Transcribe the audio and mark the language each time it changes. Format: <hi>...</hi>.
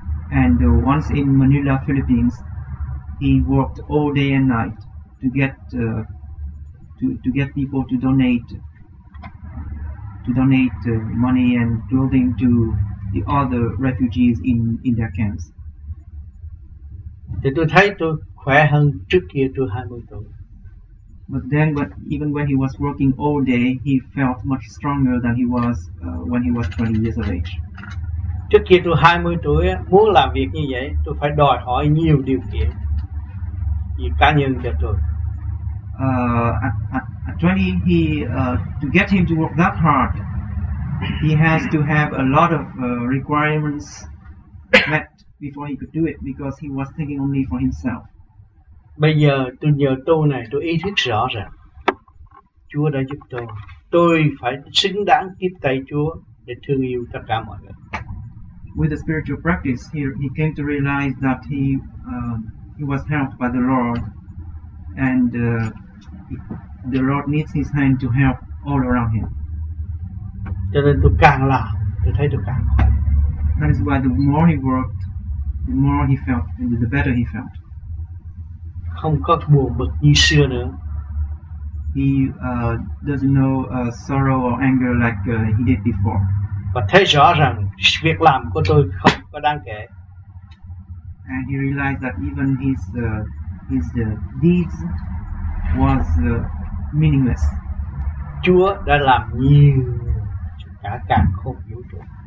<en>And once in Manila, Philippines, he worked all day and night to get people to donate money and clothing to the other refugees in their camps.</en> <vi>Thì tôi thấy tôi khỏe hơn trước kia tôi 20 tuổi.</vi> <en>But even when he was working all day, he felt much stronger than he was when he was 20 years of age.</en> <vi>Trước kia tôi 20 tuổi muốn làm việc như vậy tôi phải đòi hỏi nhiều điều kiện vì cá nhân cho tôi.</vi> <en>At 20, he to get him to work that hard, he has to have a lot of requirements met before he could do it because he was thinking only for himself.</en> <vi>Bây giờ tôi nhờ tu này tôi ý thức rõ rằng Chúa đã giúp tôi phải xứng đáng tiếp tay Chúa để thương yêu tất cả mọi người.</vi> <en>With the spiritual practice, he came to realize that he was helped by the Lord, and the Lord needs his hand to help all around him.</en> <vi>Cho nên tôi càng làm, tôi thấy tôi càng.</vi> <en>That is why the more he worked, the more he felt, and the better he felt.</en> <vi>Không có buồn bực như xưa nữa.</vi> <en>He doesn't know sorrow or anger like he did before.</en> <vi>Và thấy rõ rằng việc làm của tôi không có đáng kể.</vi> <en>And he realized that even his deeds was meaningless.</en> <vi>Chúa đã làm nhiều cả càng không vũ trụ.</vi>